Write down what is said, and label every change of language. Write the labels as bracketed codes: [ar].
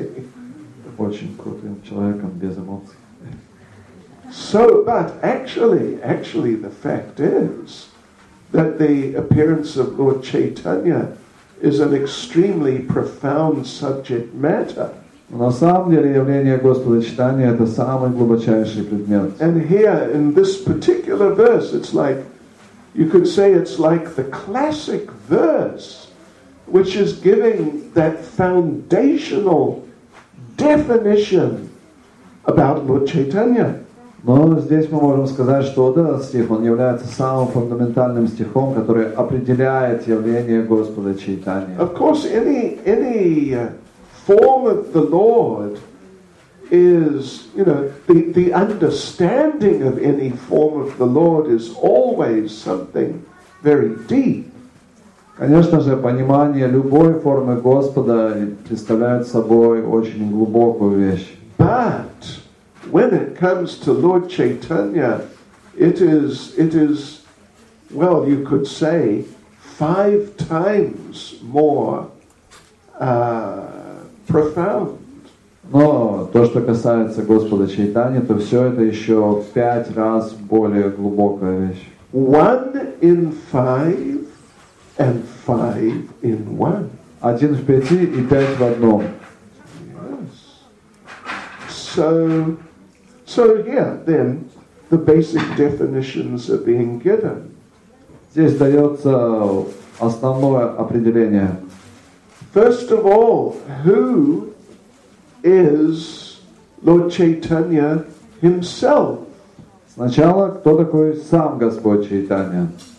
[ru] стать очень крутым человеком без эмоций. [en] So, but actually, the fact is that the appearance of Lord Chaitanya is an extremely profound subject matter. [ru] На самом деле явление Господа Читания это самый глубочайший предмет. [en] And here in this particular verse, it's like you could say it's like the classic verse, which is giving that foundational definition about Lord Chaitanya. [ru] Но здесь мы можем сказать, что вот этот стих, он является самым фундаментальным стихом, который определяет явление Господа Чайтаньи. [en] Of course, any form of the Lord is, you know, the understanding of any form of the Lord is always something very deep. [ru] Конечно же, понимание любой формы Господа представляет собой очень глубокую вещь. [en] But when it comes to Lord Chaitanya, it is, well, you could say, five times more profound. [ru] Но то, что касается Господа Чайтаньи, то все это еще в пять раз более глубокая вещь. [en] One in five and five in one. [ru] Один в пяти и пять в одном. [en] Yes. So yeah, then the basic definitions are being given. [ru] Здесь дается основное определение. [en] First of all, who is Lord Chaitanya himself? [ru] Сначала кто такой сам Господь Чайтанья?